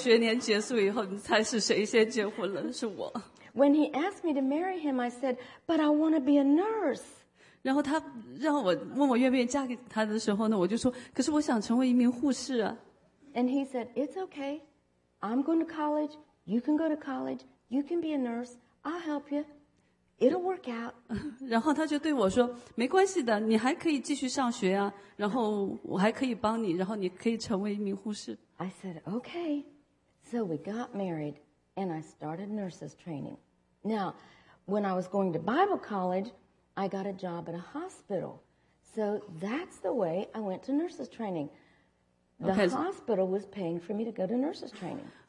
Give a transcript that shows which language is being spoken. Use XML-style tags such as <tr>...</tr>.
<zh>第一个学年结束以后，你猜是谁先结婚了？是我。</zh> <en>When he asked me to marry him, I said, "But I want to be a nurse."</en> <zh>然后他让我问我愿不愿意嫁给他的时候呢，我就说，可是我想成为一名护士啊。And</zh> <en>he said, "It's okay. I'm going to college. You can go to college. You can be a nurse. I'll help you. It'll work out."</en> <zh>然后他就对我说，没关系的，你还可以继续上学啊，然后我还可以帮你，然后你可以成为一名护士。I</zh> <en>said, "Okay." So we got married, and I started nurses training. Now, when I was going to Bible college, I got a job at a hospital. So that's the way I went to nurses training. The hospital was paying for me to go to nurses training.</en>